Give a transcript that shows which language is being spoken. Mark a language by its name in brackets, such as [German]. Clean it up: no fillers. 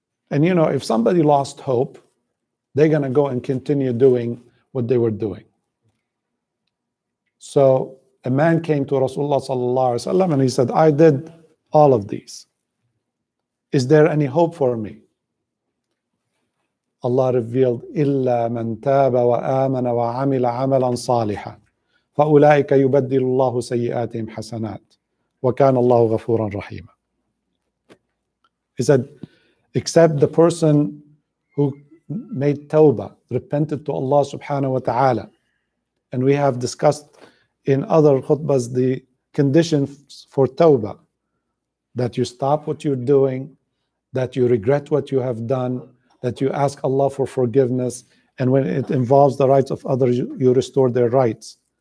[English] And you know, if somebody lost hope, they're going to go and continue doing what they were doing. So a man came to Rasulullah sallallahu alaihi wasallam and he said, I did all of these. Is there any hope for me? Allah revealed, [Arabic] إِلَّا مَنْ تَابَ وَآمَنَ وَعَمِلَ عَمَلًا صَالِحًا فَأُولَٰئِكَ يُبَدِّلُ اللَّهُ سَيِّئَاتِهِمْ حَسَنَاتٍ وَكَانَ اللَّهُ غَفُورًا رَحِيمًا. [English] He said, except the person who made tawbah, repented to Allah subhanahu wa ta'ala. And we have discussed in other khutbas the conditions for tawbah, that you stop what you're doing, that you regret what you have done, that you ask Allah for forgiveness, and when it involves the rights of others, you restore their rights.